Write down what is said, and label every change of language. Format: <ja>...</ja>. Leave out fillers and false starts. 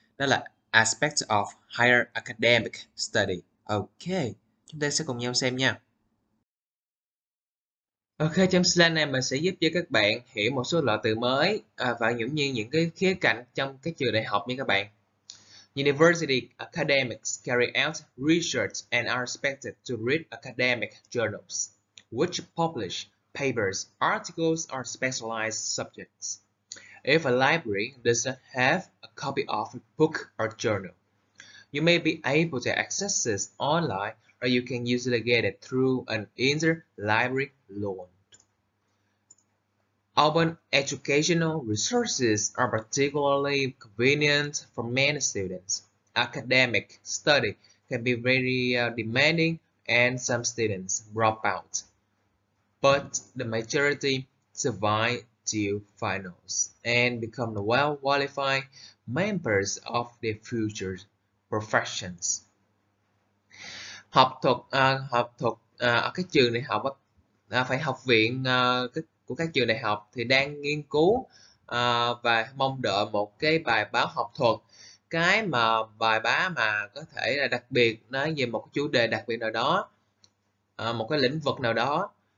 <vi>Đó là Aspects of Higher Academic Study. Ok, chúng ta sẽ cùng nhau xem nha. Ok, trong slide này mình sẽ giúp cho các bạn hiểu một số loại từ mới và nhiều như những cái khía cạnh trong các trường đại học nha các bạn.</vi> <en>University academics carry out research and are expected to read academic journals, which publish papers, articles, or specialized subjects. If a library does not have a copy of a book or journal, you may be able to access this online, or you can usually get it through an inter-library loan. Open educational resources are particularly convenient for many students. Academic study can be very demanding, and some students drop out. but the majority survive till finals and become the well-qualified members of their future professions.</en> <vi>Học thuật ở cái trường đại học phải học viện của các trường đại học thì đang nghiên cứu và mong đợi một cái bài báo học thuật, cái mà bài báo mà có thể là đặc biệt nói về một chủ đề đặc biệt nào đó, một cái lĩnh vực nào đó.</vi>